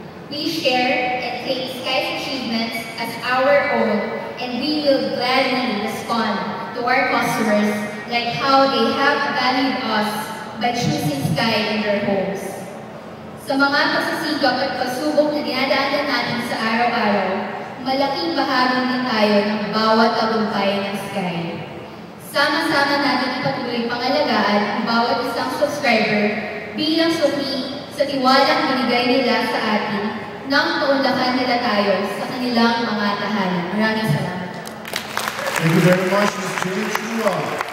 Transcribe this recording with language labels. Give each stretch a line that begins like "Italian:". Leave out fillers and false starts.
English: We share and take Sky's achievements as our own, and we will gladly respond to our customers like how they have valued us by choosing Sky in their homes.
Filipino: Sa mga pagsisikap at pagsubok na dinadaanan natin sa araw-araw, malaking bahagi din tayo ng bawat tagumpay ng Sky. Sama-sama natin ipatuloy pangalagaan ang bawat isang subscriber bilang suki sa tiwalang binigay nila sa atin nang paundakan nila tayo sa kanilang mga tahanan. Maraming salamat.
English: Thank you very much, Ms. Jane Chua.